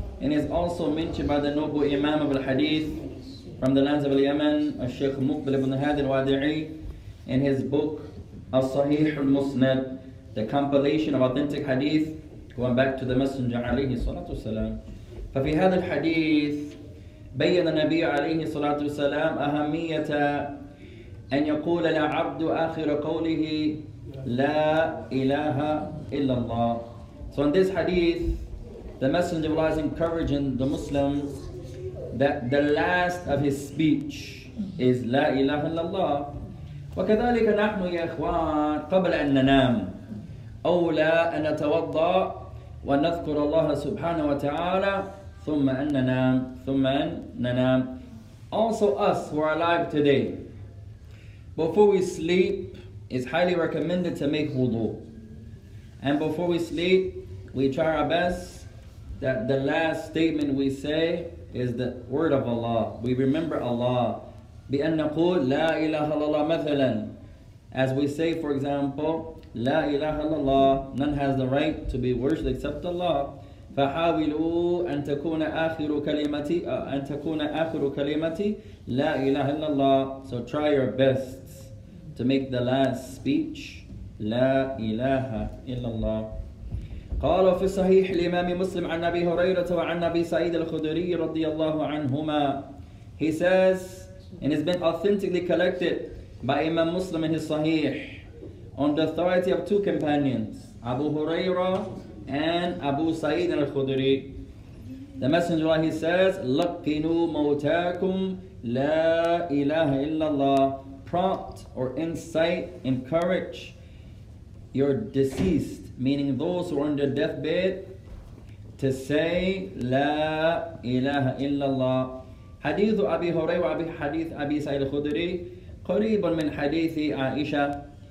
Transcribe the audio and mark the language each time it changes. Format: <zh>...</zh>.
<en>And is also mentioned by the noble Imam of al-Hadith from the lands of Yemen, الشيخ مقبل بن هادي الوادعي, in his book الصحيح المسند, the compilation of authentic hadith. Going back to the Messenger</en> <ar>عليه الصلاة والسلام. ففي هذا الحديث بيّن النبي عليه الصلاة والسلام أهمية أن يقول العبد آخر قوله لا إله إلا الله.</ar> <en>So in this hadith, the Messenger of Allah is encouraging the Muslims that the last of his speech is</en> <ar>لا إله إلا الله. وكذلك نحن يا إخوان قبل أن ننام أولى أن نتوضأ ونذكر الله سبحانه وتعالى ثم أن ننام ثم أن ننام.</ar> <en>Also us who are alive today, before we sleep, it's highly recommended to make wudu. And before we sleep, we try our best that the last statement we say is the word of Allah. We remember Allah.</en> <ar>بأن نقول لا إله إلا الله مثلا.</ar> <en>As we say, for example,</en> <ar>لا إله إلا الله.</ar> <en>None has the right to be worshipped except Allah.</en> <ar>ف فحاولوا أن تكون آخر كلمتي أن تكون آخر كلمتي لا إله إلا الله.</ar> <en>So try your best to make the last speech</en> <ar>لا إله إلا الله. قال في صحيح الإمام مسلم عن أبي هريرة وعن أبي سعيد الخدري رضي الله عنهما.</ar> <en>He says, and it's been authentically collected by Imam Muslim in his Sahih, on the authority of two companions, Abu Huraira and Abu Sa'id al-Khudri. The Messenger of Allah, he says,</en> <ar>لَقِّنُوا مَوْتَاكُمْ لَا إِلَهَ إِلَّا اللَّهِ.</ar> <en>Prompt or incite, encourage your deceased, meaning those who are on their deathbed, to say</en> <ar>لَا إِلَهَ إِلَّا اللَّهِ. حديث أبي هريرة وحديث أبي سعيد الخدري قريب من حديث عائشة.</ar>